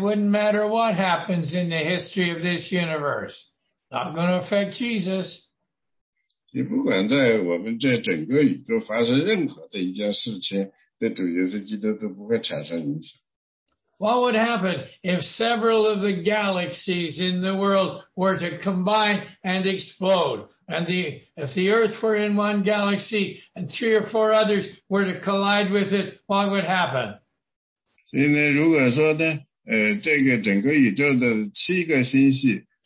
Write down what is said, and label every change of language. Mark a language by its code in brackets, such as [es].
[en] wouldn't matter what happens in the history of this universe. Not going to affect Jesus. [zh] 也不管在我们这整个宇宙发生任何的一件事情，对主耶稣基督都不会产生影响。 [en] What would happen if several of the galaxies in the world were to combine and explode? And if the Earth were in one galaxy and three or four others were to collide with it, what would happen? [zh] 所以呢，如果说呢，这个整个宇宙的七个星系。